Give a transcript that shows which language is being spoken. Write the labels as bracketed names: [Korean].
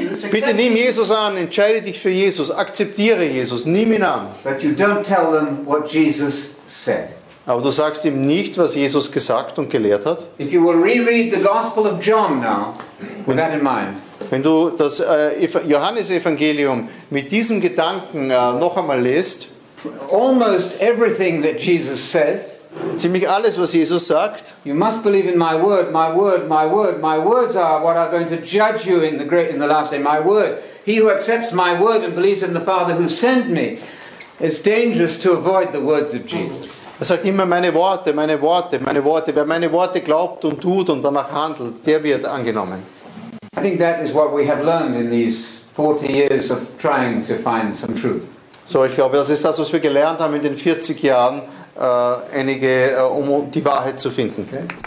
[German] Bitte nimm Jesus an, entscheide dich für Jesus, akzeptiere Jesus, nimm ihn an. [English] But you don't tell them what Jesus said. [German] Aber du sagst ihm nicht, was Jesus gesagt und gelehrt hat. [English] If you will reread the Gospel of John now, with that in mind. [German] Wenn du das Johannesevangelium mit diesem Gedanken noch einmal liest, [English] almost everything that Jesus says, [German] ziemlich alles, was Jesus sagt. [English] You must believe in my word, my word, my word. My words are what are going to judge you in the great, in the last day. My word. He who accepts my word and believes in the Father who sent me, it's dangerous to avoid the words of Jesus. [German] Er sagt immer meine Worte, meine Worte, meine Worte. Wer meine Worte glaubt und tut und danach handelt, der wird angenommen. I think that is what we have learned in these 40 years of trying to find some truth. So, ich glaube, das ist das, was wir gelernt haben in den 40 Jahren. Einige, um die Wahrheit zu finden. Okay.